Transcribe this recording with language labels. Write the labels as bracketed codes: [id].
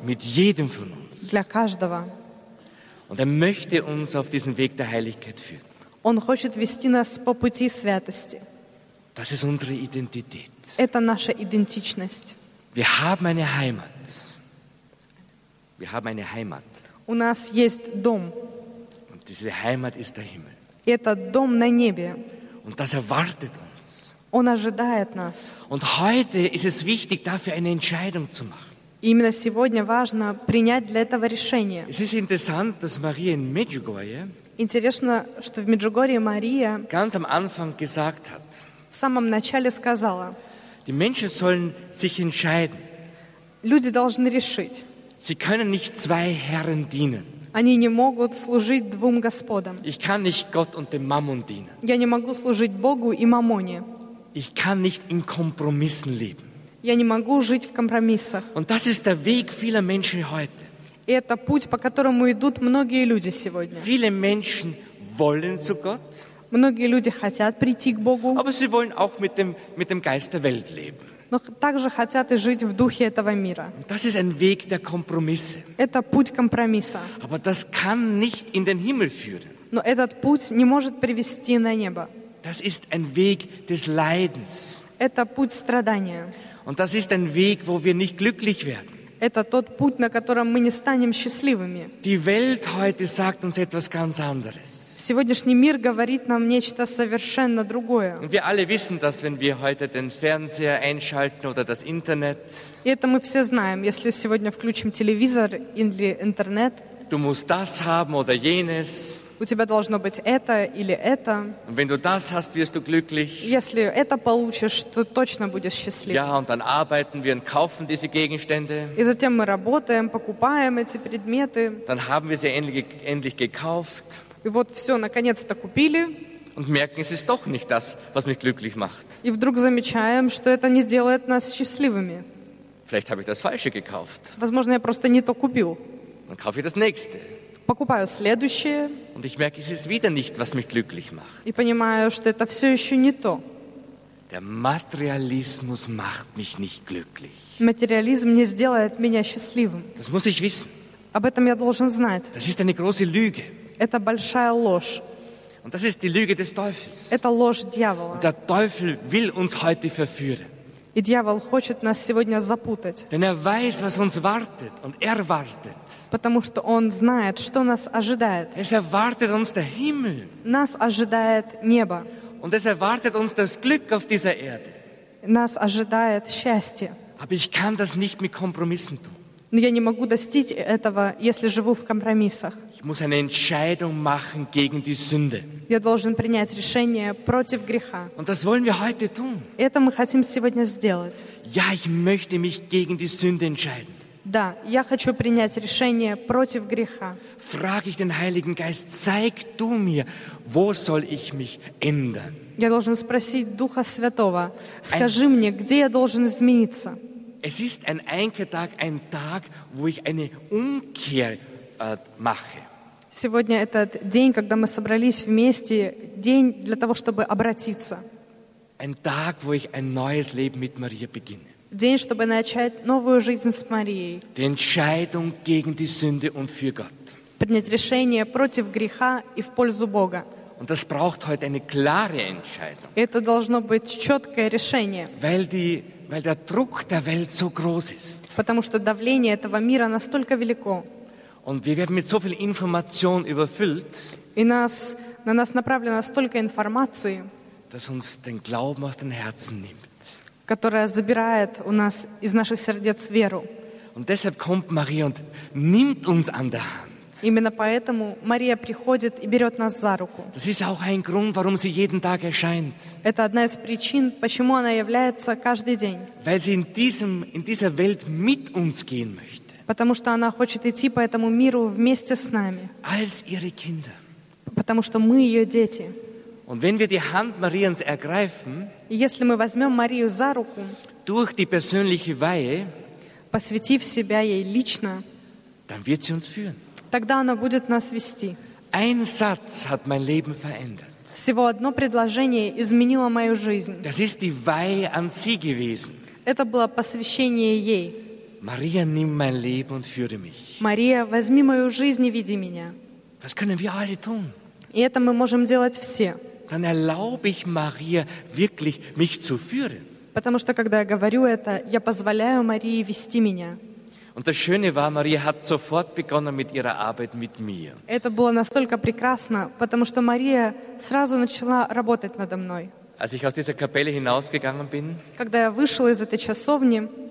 [de] Mit jedem von uns. [ru] Для каждого. [de] Und er möchte uns auf diesen Weg der Heiligkeit führen. [ru] Он хочет вести нас по пути святости. [de] Das ist unsere Identität. [ru] Это наша идентичность. [de] Wir haben eine Heimat. Wir haben eine Heimat. [ru] У нас есть дом. [de] Und diese Heimat ist der Himmel. [ru] Это дом на небе. [de] Und das erwartet uns. [ru] Он ожидает нас. [de] Und heute ist es wichtig, dafür eine Entscheidung zu machen. [ru] И именно сегодня важно принять для этого решение. [de] Es ist interessant, dass Maria in Medjugorje [ru] интересно, что в Меджугорье Мария [de] ganz am Anfang gesagt hat, [ru] в самом начале сказала, [de] die Menschen sollen sich entscheiden. [ru] Люди должны решить. [de] Sie können nicht zwei Herren dienen. [ru] Они не могут служить двум Господам. [de] Ich kann nicht Gott und dem Mammon dienen. [ru] Я не могу служить Богу и Маммоне. [de] Ich kann nicht in Kompromissen leben. [ru] Я не могу жить в компромиссах. [de] Und das ist der Weg vieler Menschen heute. [ru] И это путь, по которому идут многие люди сегодня. [de] Viele Menschen wollen zu Gott, [ru] многие люди хотят прийти к Богу, [de] aber sie wollen auch mit dem Geist der Welt leben. [ru] Но также хотят и жить в духе этого мира. [de] Und das ist ein Weg der Kompromisse. [ru] Это путь компромисса. [de] Aber das kann nicht in den Himmel führen. [ru] Но этот путь не может привести на небо. [de] Das ist ein Weg des Leidens. [ru] Это путь страдания. [de] Und das ist ein Weg, wo wir nicht glücklich werden. [ru] Это тот путь, на котором мы не станем счастливыми. [de] Die Welt heute sagt uns etwas ganz anderes. [ru] Сегодняшний мир говорит нам нечто совершенно другое. [de] Und wir alle wissen, dass wenn wir heute den Fernseher einschalten oder das Internet, [ru] и это мы все знаем, если сегодня включим телевизор или интернет, [de] du musst das haben oder jenes, [ru] У тебя должно быть это или это. [de] Wenn du das hast, wirst du glücklich. [ru] Если это получишь, то точно будешь счастлив. [de] Ja, und dann arbeiten wir und kaufen diese Gegenstände. [ru] И затем мы работаем, покупаем эти предметы. [de] Dann haben wir sie endlich gekauft. [ru] И вот все, наконец-то купили. [de] Und merken, es ist doch nicht das, was mich glücklich macht. [ru] И вдруг замечаем, что это не сделает нас счастливыми. [de] Vielleicht habe ich das Falsche gekauft. [ru] Возможно, я просто не то купил. [de] Dann kaufe ich das Nächste. [ru] Покупаю следующее. [de] Und ich merke, es ist wieder nicht, was mich glücklich macht. [ru] И понимаю, что это все еще не то. [de] Der Materialismus macht mich nicht glücklich. [ru] Материализм не сделает меня счастливым. [de] Das muss ich wissen. [ru] Об этом я должен знать. [de] Das ist eine große Lüge. [ru] Это большая ложь. [de] Und das ist die Lüge des Teufels. [ru] Это ложь дьявола. [de] Und der Teufel will uns heute verführen. [ru] И дьявол хочет нас сегодня запутать. [de] Denn er weiß, was uns wartet und erwartet. [ru] Потому что он знает, что нас ожидает. [de] Es erwartet uns der Himmel. [ru] Нас ожидает небо. [de] Und es erwartet uns das Glück auf dieser Erde. [ru] Нас ожидает счастье. [de] Aber ich kann das nicht mit Kompromissen tun. [ru] Но я не могу достичь этого, если живу в компромиссах. [de] Ich muss eine Entscheidung machen gegen die Sünde. [ru] Я должен принять решение против греха. [de] Und das wollen wir heute tun. [ru] Это мы хотим сегодня сделать. [de] Ja, ich möchte mich gegen die Sünde entscheiden. [ru] Да, я хочу принять решение против греха. [de] Frage ich den Heiligen Geist, zeig du mir, wo soll ich mich ändern? [ru] Я должен спросить Духа Святого, скажи мне, где я должен измениться? [de] Es ist ein Einkehrtag, ein Tag, wo ich eine Umkehr mache. [ru] Сегодня этот день, когда мы собрались вместе, день для того, чтобы обратиться. [de] Ein Tag, wo ich ein neues Leben mit Maria beginne. [ru] День, чтобы начать новую жизнь с Марией. [de] Die Entscheidung gegen die Sünde und für Gott. [ru] Принять решение против греха и в пользу Бога. [de] Und das braucht heute eine klare Entscheidung. [ru] Это должно быть четкое решение. [de] Weil der Druck der Welt so groß ist. [ru] Потому что давление этого мира настолько велико. [de] Und wir werden mit so viel Information überfüllt. [ru] И нас, на нас направлено столько информации. [de] Dass uns den Glauben aus den Herzen nimmt. [ru] Которая забирает у нас из наших сердец веру. [de] Und deshalb kommt Maria und nimmt uns an der Hand. [ru] Именно поэтому Мария приходит и берет нас за руку. [de] Das ist auch ein Grund, warum sie jeden Tag erscheint. [ru] Это одна из причин, почему она является каждый день. [de] Weil sie in dieser Welt mit uns gehen möchte. [ru] Потому что она хочет идти по этому миру вместе с нами. [de] Als ihre Kinder. [ru] Потому что мы ее дети. [de] Und wenn wir die Hand Mariens ergreifen, [ru] если мы возьмем Марию за руку, [de] durch die persönliche Weihe, [ru] посвятив себя ей лично, [de] dann wird sie uns führen. [ru] Тогда она будет нас вести. [de] Ein Satz hat mein Leben verändert. [ru] Всего одно предложение изменило мою жизнь. [de] Das ist die Weihe an sie gewesen. [ru] Это было посвящение ей. [de] Maria, nimm mein Leben und führe mich. [ru] Maria, возьми мою жизнь и веди меня. [de] Das können wir alle tun. [ru] И это мы можем делать все. [de] Dann erlaube ich Maria wirklich mich zu führen. [ru] Потому что когда я говорю это, я позволяю Марии вести меня. [de] Und das Schöne war, Maria hat sofort begonnen mit ihrer Arbeit mit mir. [ru] Это было настолько прекрасно, потому что Мария сразу начала работать надо мной. [de] Als ich aus dieser Kapelle hinausgegangen bin, [ru] когда я вышел из этой часовни,